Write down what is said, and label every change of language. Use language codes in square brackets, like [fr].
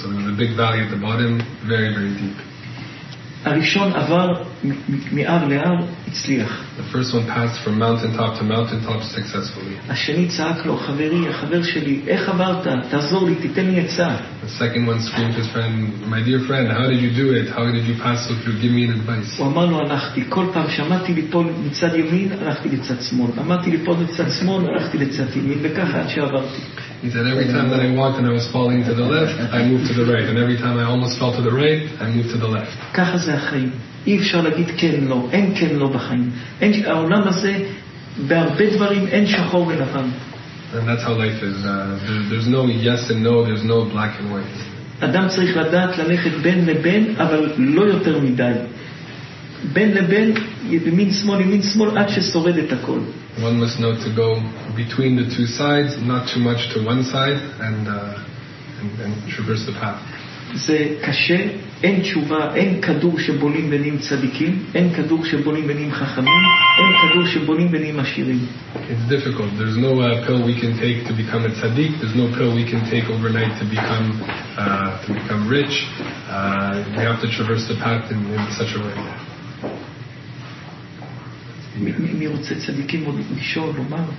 [en] So there was a big valley at the bottom, very, very deep. [he] הראשון עבר מאר לאר, הצליח. The first one passed from mountaintop to mountaintop successfully. השני צעק לו, חברי, החבר שלי, איך עברת? תעזור לי, תיתן לי עצה. [en] The second one screamed to his friend, my dear friend, how did you do it? How did you pass so through? Give me an advice. [he] הוא אמר לו, הלכתי. כל פעם שמעתי ליפול מצד ימין, הלכתי לצד שמאל. עמדתי ליפול מצד שמאל, הלכתי לצד ימין. וככה עד שעברתי. [en] He said, every time that I walked and I was falling to the left, I moved to the right. And every time I almost fell to the right, I moved to the left. [he] ככה זה החיים. אי אפשר להגיד כן לא. אין כן לא בחיים. העולם הזה, בהרבה דברים, אין שחור ולבן. [en] And that's how life is. There's no yes and no. There's no black and white. [he] אדם צריך לדעת ללכת בין לבין, אבל לא יותר מדי. בין לבין, ימין שמאל, ימין שמאל, עד ששורד את הכל. [en] One must know to go between the two sides, not too much to one side, and traverse the path. [he] זה קשה, אין תשובה, אין כדור שבונים בנים צדיקים, אין כדור שבונים בנים חכמים, אין כדור שבונים בנים עשירים. [en] It's difficult. There's no pill we can take to become a tzaddik. There's no pill we can take overnight to become rich. We have to traverse the path in such a way. [he] מי רוצה צדיקים עוד לשאול, לומר?